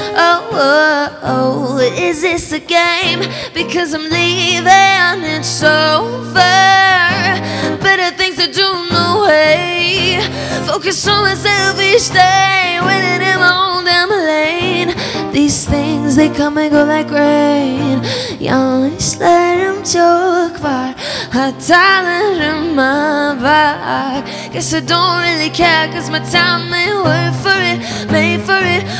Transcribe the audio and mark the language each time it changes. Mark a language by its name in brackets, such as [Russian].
[English] Oh, oh, oh, is this a game? Because I'm leaving, it's over. Better things to do, no way. Focus on myself each day, waiting in my own damn lane. These things, they come and go like rain. [Turkish] Yanlışlarım çok var, hatalarım var. [English] Guess I don't really care, cause my time ain't worth for it, made for it.